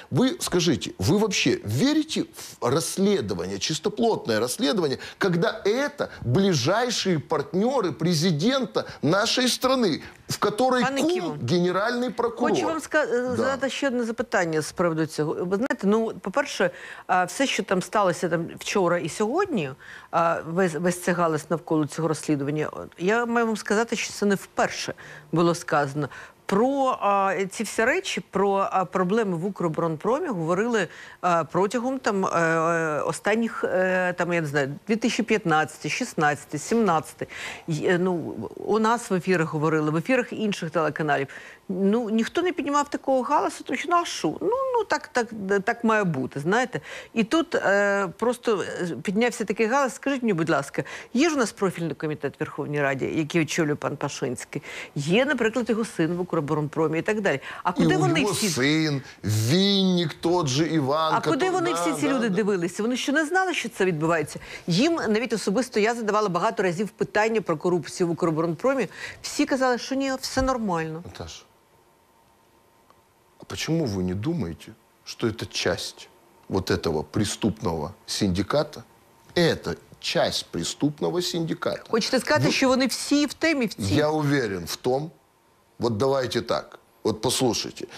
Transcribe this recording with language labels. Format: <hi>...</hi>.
<ru>Вы скажите, вы вообще верите в расследование, чистоплотное расследование, когда это ближайшие партнеры президента нашей страны, в которой Пане кум Ківон, генеральный прокурор? Хочу вам задать еще одно запитание</ru> <uk>с приводу цього.</uk> <ru>Вы знаете,</ru> <uk>ну, по-перше, все, что там сталося там вчора</uk> <ru>и сегодня,</ru> <uk>весь цей галас навколо цього розслідування, я маю вам сказати, що це не вперше було сказано. Про ці всі речі, про проблеми в «Укроборонпромі» говорили протягом там останніх, там, я не знаю, 2015, 16, 17. Ну, у нас в ефірах говорили, в ефірах інших телеканалів. Ну, ніхто не піднімав такого галасу, тому що нашу. Так має бути, знаєте. І тут просто піднявся такий галас. Скажіть мені, будь ласка, є ж у нас профільний комітет Верховної Ради, який очолює пан Пашинський? Є, наприклад, його син в «Укроборонпромі» і так далі. А куди і вони його всі... син, Вінник</uk> <ru>тот же,</ru> <uk>Іван. А куди вони всі ці люди дивилися? Вони що не знали, що це відбувається? Їм навіть особисто я задавала багато разів питання про корупцію в «Укроборонпромі». Всі казали, що ні, все нормально.</uk> <ru>Почему вы не думаете, что это часть вот этого преступного синдиката? Это часть преступного синдиката. Хочется сказать, что они все в теме, в теме. Я уверен в том, вот давайте так, вот послушайте.</ru>